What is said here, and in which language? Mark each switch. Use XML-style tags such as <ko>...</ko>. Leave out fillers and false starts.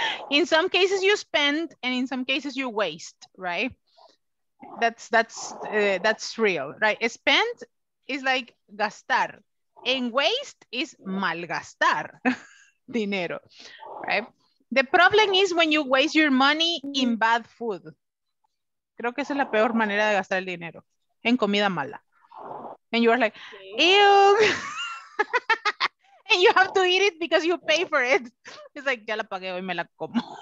<en>In some cases you spend and in some cases you waste, right? That's real, right? Spend is like gastar, and waste is malgastar dinero, right? The problem is when you waste your money in bad food.</en> <es>Creo que esa es la peor manera de gastar el dinero, en comida mala.</es> <en>And you are like, ew. And you have to eat it because you pay for it. It's like,</en> <es>ya la pagué, hoy me la como.</es>